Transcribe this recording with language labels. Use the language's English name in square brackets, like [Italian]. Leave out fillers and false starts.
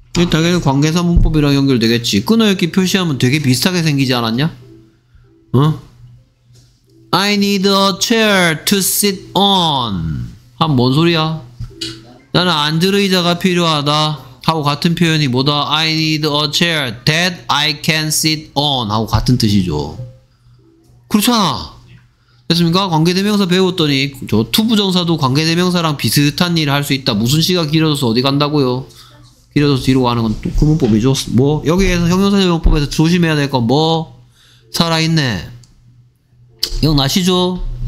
[Korean] 당연히 관계사 문법이랑 연결되겠지. 끊어읽기 표시하면 되게 비슷하게 생기지 않았냐? [English] 어? I need a chair to sit on. [Korean] 한 뭔 소리야? 나는 앉을 의자가 필요하다. 하고 같은 표현이 뭐다? [English] I need a chair that I can sit on. [Korean] 하고 같은 뜻이죠. 그렇잖아. 됐습니까? 관계대명사 배웠더니 저 투부정사도 관계대명사랑 비슷한 일을 할 수 있다. 무슨 시가 길어져서 어디 간다고요? 길어져서 뒤로 가는 건 또 그 문법이죠. 뭐? 여기에서 형용사적 문법에서 조심해야 될 건 뭐? 살아있네. 기억나시죠?